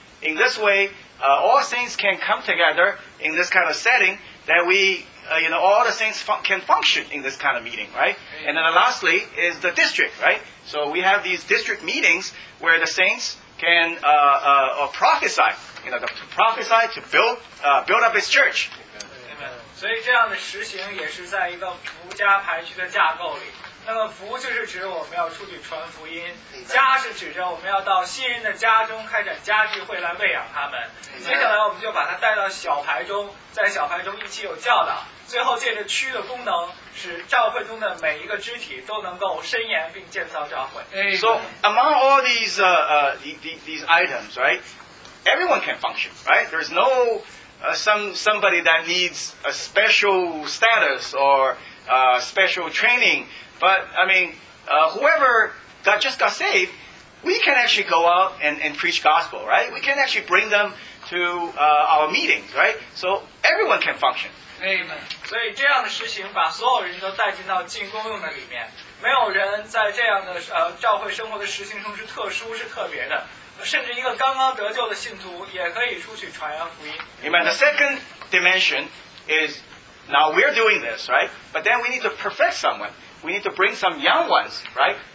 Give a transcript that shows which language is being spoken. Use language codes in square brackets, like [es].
[en] In this way, all saints can come together in this kind of setting that we, you know, all the saints can function in this kind of meeting, right? And then lastly is the district, right? So we have these district meetings where the saints can prophesy, you know, to prophesy to build up his church. [zh] 所以这样的实行也是在一个福家排区的架构里那么福就是指我们要出去传福音，家是指着我们要到新人的家中开展家聚会来喂养他们，接下来我们就把他带到小排中，在小排中一起有教导，最后借着区的功能使教会中的每一个肢体都能够伸延并建造教会。 [en] So among all these items, right, everyone can function, right? There's no somebody that needs a special status or special training. But, I mean, whoever just got saved, we can actually go out and preach gospel, right? We can actually bring them to our meetings, right? So everyone can function. Amen. [zh] 所以这样的实行把所有人都带进到进公用的里面。没有人在这样的教会生活的实行中是特殊是特别的。甚至一个刚刚得救的信徒也可以出去传扬福音。 Amen. [en] The second dimension is, now we're doing this, right? But then we need to perfect someone. We need to bring some young ones, right?